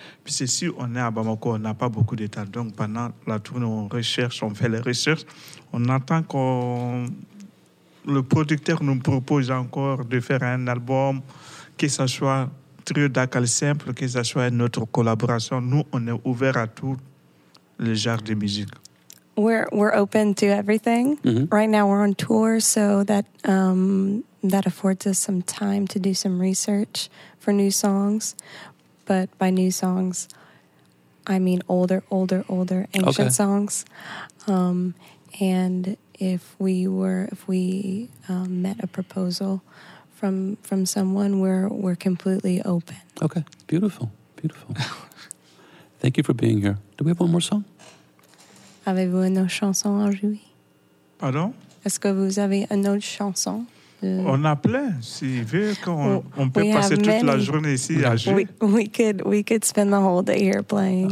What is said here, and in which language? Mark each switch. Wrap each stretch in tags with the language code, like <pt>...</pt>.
<fr>Puis si on est à Bamako, on n'a pas beaucoup de temps. Donc pendant la tournée, on recherche, on fait les recherches. On attend que le producteur nous propose encore de faire un album, que ce soit trio d'acal simple, que ce soit une autre collaboration. Nous, on est ouvert à tout le genre de musique.</fr> <en>We're open to everything. Mm-hmm. Right now we're on tour, so that affords us some time to do some research for new songs. But by new songs, I mean older ancient songs. And if we met a proposal from someone, we're completely open. Okay, beautiful. Thank you for being here. Do we have one more song?</en> <fr>Avez-vous une autre chanson à jouer? Pardon? Est-ce que vous avez une autre chanson? On a plein. S'il veut qu'on on peut passer toute la journée ici à jouer.</fr> <en>We could spend the whole day here playing.</en>